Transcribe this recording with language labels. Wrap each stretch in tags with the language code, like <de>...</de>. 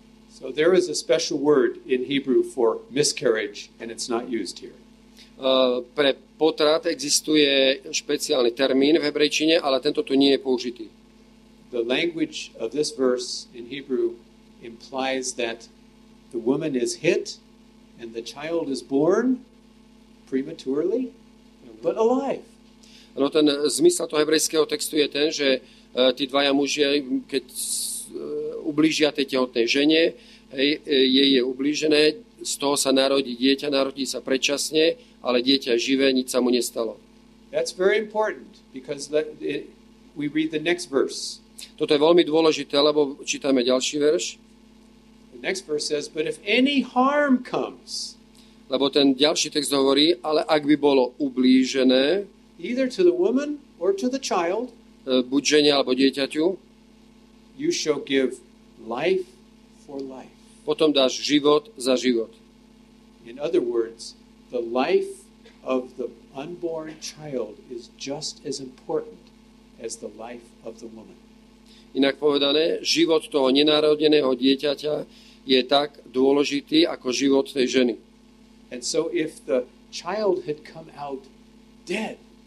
<en>So there is a special word in Hebrew for miscarriage and it's not used here.</en> <sk>Pre potrat existuje špeciálny termín v hebrejčine, ale tento tu nie je použitý.</sk> <en>The language of this verse in Hebrew implies that the woman is hit and the child is born prematurely, but alive.</en> <sk>No ten zmysel toho hebrejského textu je ten, že tí dvaja muži, keď ublížia tej tehotnej žene, jej je ublížené, z toho sa narodí dieťa, narodí sa predčasne, ale dieťa je živé, nič sa mu nestalo.</sk> <en>That's very important because we read the next verse.</en> <sk>Toto je veľmi dôležité, lebo čítame ďalší verš.</sk> <en>The next verse says, but if any harm comes.</en> <sk>Lebo ten ďalší text hovorí, ale ak by bolo ublížené,</sk> <en>either to the woman or to the child,</en> <sk>buď žene alebo dieťaťu,</sk> <en>you shall give life for life.</en> <sk>Potom dáš život za život.</sk> <en>In other words, the life of the unborn child is just as important as the life of the woman.</en> <sk>Inak povedané, život toho nenarodeného dieťaťa je tak dôležitý ako život tej ženy.</sk> <en>And so if the child had come out dead,</en>